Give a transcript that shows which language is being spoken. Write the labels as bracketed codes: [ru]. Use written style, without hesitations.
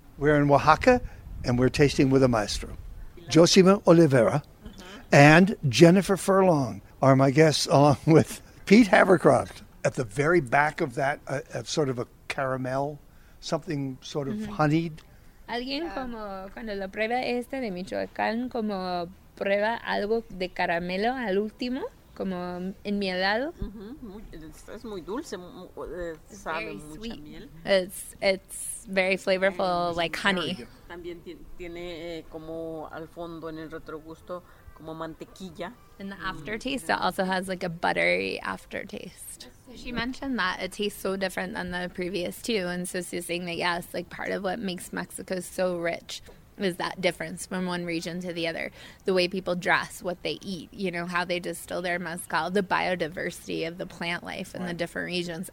[en] We're in Oaxaca, and we're tasting with a maestro, Josima Oliveira, and Jennifer Furlong are my guests, along with Pete Havercroft. At the very back of that, a sort of a caramel, something sort of honeyed. [es] Alguien como cuando lo prueba este de Michoacán, como prueba algo de caramelo al último, como en mi helado. Es muy dulce, sabe mucha miel. [en] It's very flavorful, like honey. [es] También tiene como al fondo en el retrogusto, como mantequilla. [en] In the aftertaste, it also has like a buttery aftertaste. She mentioned that it tastes so different than the previous two. And so she's saying that, yes, like part of what makes Mexico so rich is that difference from one region to the other. The way people dress, what they eat, you know, how they distill their mezcal, the biodiversity of the plant life in the different regions.